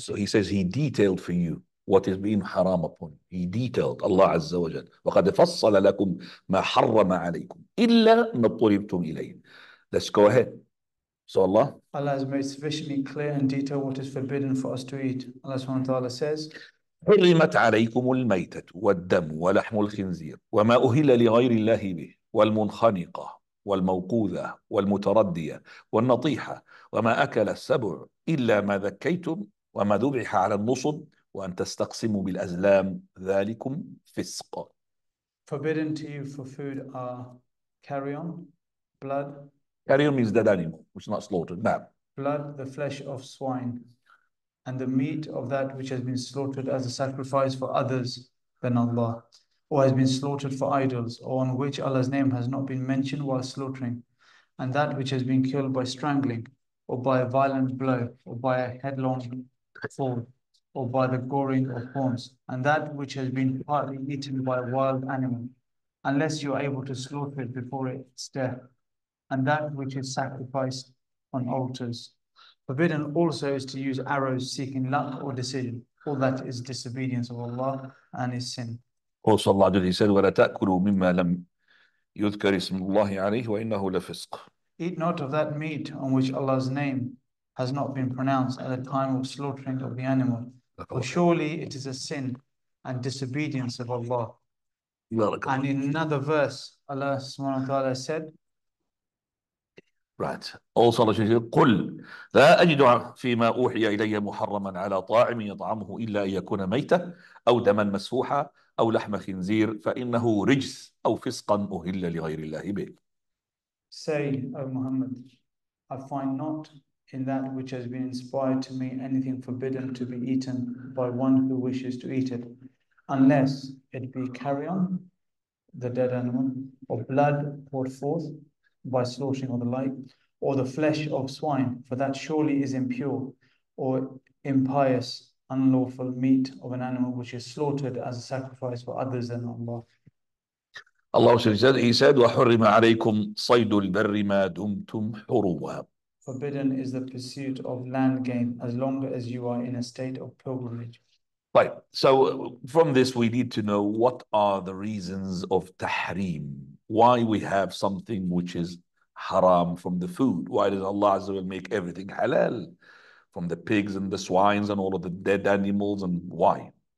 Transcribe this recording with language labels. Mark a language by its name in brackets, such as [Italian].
[English] So he says he detailed for you what is being haram upon you. He detailed Allah Azza wa Jal. [Arabic] وَقَدْ فَصَّلَ لَكُمْ مَا حَرَّمَ عَلَيْكُمْ إِلَّا مَا اضْطُرِرْتُمْ إِلَيْهِ. [English] Let's go ahead. So Allah, Allah has made sufficiently clear and detailed what is forbidden for us to eat. Allah subhanahu wa ta'ala says, [Arabic] حُرِّمَتْ عَلَيْكُمُ الْمَيْتَةُ وَالدَّمُ وَلَحْمُ الْخِنْزِيرِ وَمَا أُهِلَّ لِغَيْرِ اللَّهِ بِهِ وَالْمُنْخَنِقَةُ والموقوذة والمتردية والنطيحة وما أكل السبع إلا ما ذكيتم وما ذبح على النصب وأن تستقسموا بالأزلام ذلكم فسق. [English] Forbidden to you for food are carrion, blood. Carrion means dead animal, which is not slaughtered. Nah. Blood, the flesh of swine, and the meat of that which has been slaughtered as a sacrifice for others than Allah, or has been slaughtered for idols, or on which Allah's name has not been mentioned while slaughtering, and that which has been killed by strangling, or by a violent blow, or by a headlong fall, or by the goring of horns, and that which has been partly eaten by a wild animal, unless you are able to slaughter it before its death, and that which is sacrificed on altars. Forbidden also is to use arrows seeking luck or decision. All that is disobedience of Allah and is sin. Also Allah Jalla said, [Arabic] وَلَا تَأْكُلُوا مِمَّا لَمْ يُذْكَرِ اسْمُ اللَّهِ عَلَيْهِ وَإِنَّهُ لَفِسْقٌ. [English] Eat not of that meat on which Allah's name has not been pronounced at the time of slaughtering of the animal. For surely it is a sin and disobedience of Allah. And in another verse, Allah subhanahu wa ta'ala said, right. Also Allah said, [Arabic] قُلْ لَا أَجِدُ فِي مَا أُوحِيَ إِلَيَّ مُحَرَّمًا عَلَى طَاعِمٍ يَطْعَمُهُ إِلَّا أَنْ يَكُونَ مَيْتًا أَوْ دَمًا مَسْفُوحًا أَوْ لَحْمَ خِنْزِيرٍ فَإِنَّهُ رِجْسٌ أَوْ فِسْقًا أُهِلَّ لِغَيْرِ اللَّهِ بِهِ. [English] Say, O Muhammad, I find not in that which has been inspired to me anything forbidden to be eaten by one who wishes to eat it, unless it be carrion, the dead animal, or blood poured forth by slaughtering or the like, or the flesh of swine, for that surely is impure or impious, unlawful meat of an animal which is slaughtered as a sacrifice for others than Allah. Allah said, He said, [Arabic] وَحُرِّمَ عَلَيْكُمْ صَيْدُ الْبَرِّ مَا دُمْتُمْ حُرُوًا. [English] Forbidden is the pursuit of land game as long as you are in a state of pilgrimage. Right. So from this, we need to know what are the reasons of tahrim. Why we have something which is haram from the food? Why does Allah Azza wa Jalla make everything halal? From the pigs and the swines and all of the dead animals, and why?